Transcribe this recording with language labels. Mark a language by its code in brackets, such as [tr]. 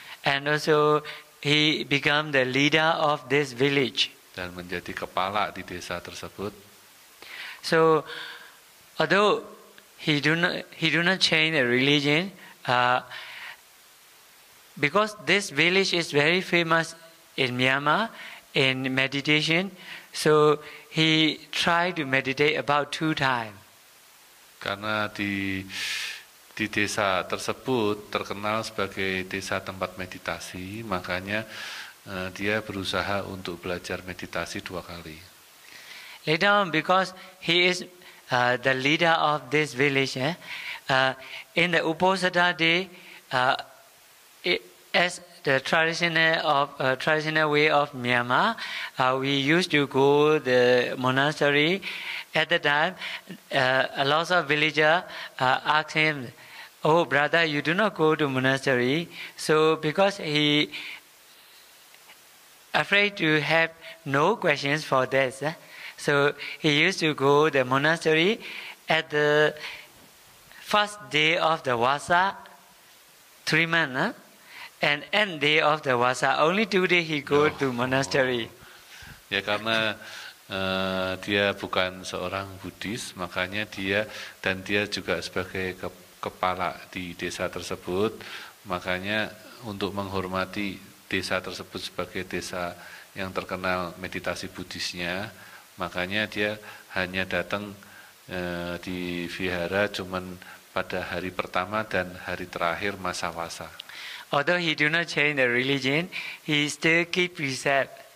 [en] And also he become the leader of this village. [id] Dan menjadi kepala di desa tersebut. [en] So although he do not change the religion, because this village is very famous in Myanmar in meditation, so he tried to meditate about 2 times. [id] Karena di desa tersebut terkenal sebagai desa tempat meditasi, makanya dia berusaha untuk belajar meditasi 2 kali. [en] Later on, because he is the leader of this village, in the Uposatha day, as the traditional way of Myanmar, we used to go to the monastery. At the time, a lot of villagers asked him, "Oh, brother, you do not go to monastery." So because he afraid to have no questions for this, so he used to go to the monastery at the first day of the Wasa, 3 months, and end day of the Wasa, only 2 days he go to monastery. [id] Ya, karena dia bukan seorang Buddhis, makanya dia juga sebagai kepala di desa tersebut, makanya untuk menghormati desa tersebut sebagai desa yang terkenal meditasi Buddhisnya, makanya dia hanya datang di vihara cuman pada hari pertama dan hari terakhir masa wasa. [en] Although he do not change the religion, he still keep precept.